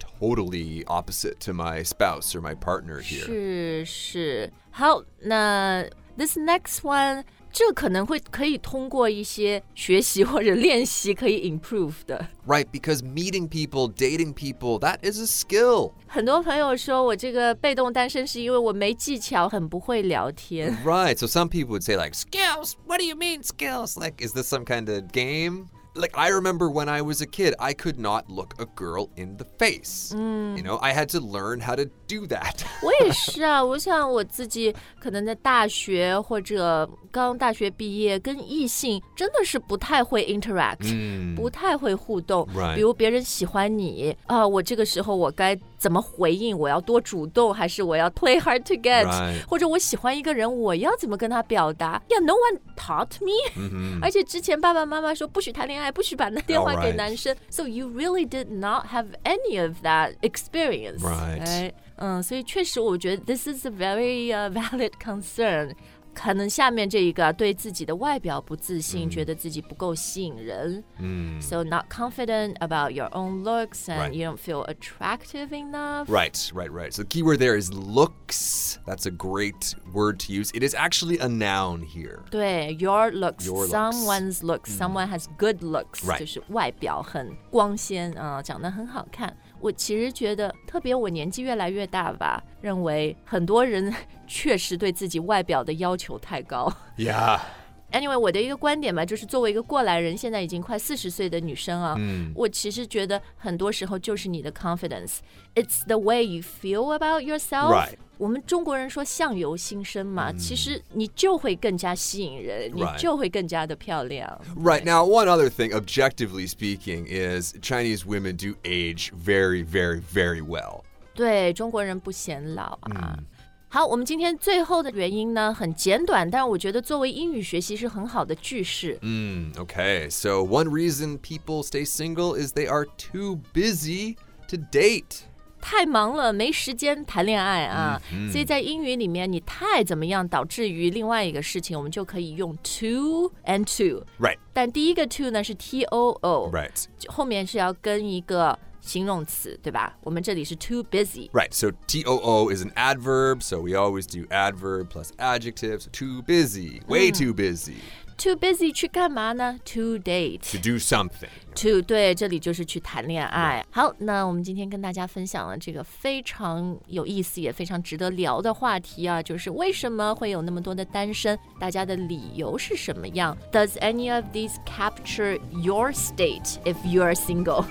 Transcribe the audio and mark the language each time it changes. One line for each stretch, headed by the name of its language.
English: totally opposite to my spouse or my partner here.
Chinese: 是是，好，那
English: this next one,
Chinese: 这可能会可以通过一些学习或者练习可以 improve 的。
English: Right, because meeting people, dating people, that is a skill.
Chinese: 很多朋友说我这个被动单身是因为我没技巧，很不会聊天。
English: Right, so some people would say like, skills, what do you mean skills? Like, is this some kind of game? Like, I remember when I was a kid, I could not look a girl in the face.、 Mm. You know, I had to learn how to do that.
Chinese: 我也是啊，我想我自己可能在大学或者刚大学毕业跟异性真的是不太会 interact,、 mm. 不太会互动。
English: Right.
Chinese: 比如别人喜欢你、我这个时候我该怎么回应，我要多主动还是我要
English: play hard to get,、 right.
Chinese: 或者我喜欢一个人我要怎么跟他表达。
English: Yeah, no one taught me.、 Mm-hmm.
Chinese: 而且之前爸爸妈妈说不许谈恋爱。不许把那电话给男生、
English: right. So you really did not have any of that experience. Right.
Chinese: 嗯，所以确实我觉得
English: this is a very、valid concern.
Chinese: 可能下面这一个对自己的外表不自信、mm. 觉得自己不够吸引人、 mm.
English: So not confident about your own looks and、right. you don't feel attractive enough. Right, right, right. So the key word there is looks. That's a great word to use. It is actually a noun here. 对 your looks, your looks. Someone's looks、mm. Someone has good looks、 right.
Chinese: 就是外表很光鲜、长得很好看。我其实觉得特别我年纪越来越大吧，认为很多人确实对自己外表的要求太高。
English: Yeah.
Chinese: Anyway, 我的一个观点嘛，就是作为一个过来人，现在已经快40岁的女生啊、 mm. 我其实觉得很多时候就是你的 confidence.
English: It's the way you feel about yourself. Right.
Chinese: 我们中国人说相由心生嘛、mm. 其实你就会更加吸引人、
English: right.
Chinese: 你就会更加的漂亮。
English: Right, now one other thing, objectively speaking, is Chinese women do age very, very, very well.
Chinese: 对，中国人不显老啊。 mm. 好，我们今天最后的原因呢很简短，但我觉得作为英语学习是很好的句式。
English: Okay, so one reason people stay single is they are too busy to date.
Chinese: 太忙了，没时间谈恋爱啊。 Mm-hmm. 所以在英语里面你太怎么样导致于另外一个事情，我们就可以用 too and too.
English: Right.
Chinese: 但第一个 too 呢是 too.
English: Right.
Chinese: 后面是要跟一个形容词，对吧？我们这里是 too busy.
English: Right, so T-O-O is an adverb, so we always do adverb plus adjectives. Too busy, way、mm. too busy. Too busy 去干嘛呢？To date. To do something.
Chinese: To, 对，这里就是去谈恋爱。
English: Right.
Chinese: 好，那我们今天跟大家分享了这个非常有意思也非常值得聊的话题啊，就是为什么会有那么多的单身，大家的理由是什么样。
English: Does any of these capture your state if you are single?